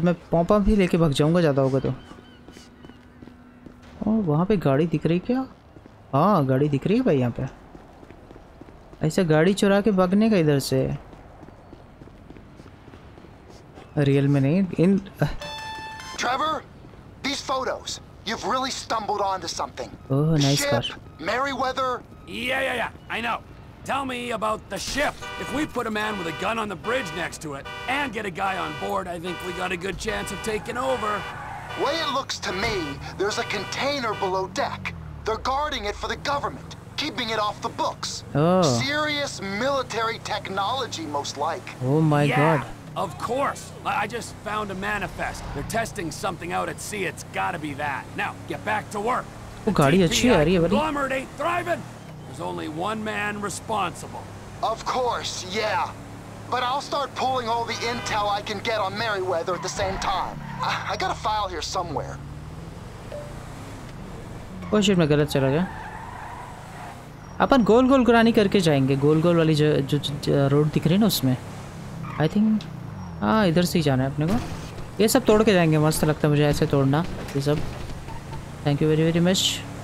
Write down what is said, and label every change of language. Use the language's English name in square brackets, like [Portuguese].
[Hindi] मैं pump pump ही लेके भाग जाऊँगा ज़्यादा होगा तो। और वहाँ पर गाड़ी दिख रही क्या? हाँ गाड़ी दिख रही है भाई यहाँ पे। ऐसे गाड़ी चुरा के भागने का इधर से, रियल में नहीं इन [English] Trevor, these photos, you've really stumbled onto something. Oh, nice ship, car. Meriwether. Yeah, yeah, yeah, I know. Tell me about the ship. If we put a man with a gun on the bridge next to it and get a guy on board, I think we got a good chance of taking over. Way it looks to me, there's a container below deck. They're guarding it for the government, keeping it off the books. Oh. Serious military technology, most like. Oh my god. Of course. I just found a manifest. They're testing something out at sea. It's gotta be that. Now, get back to work. Oh god, you're cheery, buddy. Glomerate ain't thriving. There's only one man responsible. Of course, yeah. But I'll start pulling all the intel I can get on Meriwether at the same time. I got a file here somewhere. Oh shit, [Hindi] मैं गलत चला गया. अपन गोल गोल घुरानी करके जाएंगे. गोल गोल वाली जो जो road दिख रही है ना उसमें. [English] I think [Hindi] हाँ इधर से ही जाना है अपने को. ये सब तोड़ के जाएंगे. मस्त लगता है मुझे ऐसे तोड़ना ये सब. Thank you very very much.